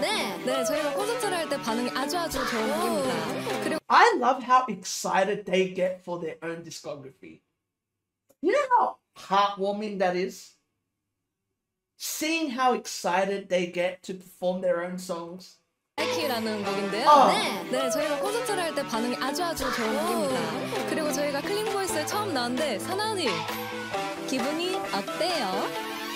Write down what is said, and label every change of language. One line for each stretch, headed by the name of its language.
Korean: 네, 네 저희가 콘서트를 할 때 반응이 아주 아주 좋은 곡입니다. 그리고
English: I love how excited they get for their own discography. You know how heartwarming that is? Seeing how excited they get to perform their own songs.
Korean: 라이키라는 곡인데요. Oh. 네, 네 저희가 콘서트를 할 때 반응이 아주 아주 좋은 곡입니다. 그리고 저희가 클린 보이스에 처음 나왔는데 사나니 기분이 어때요?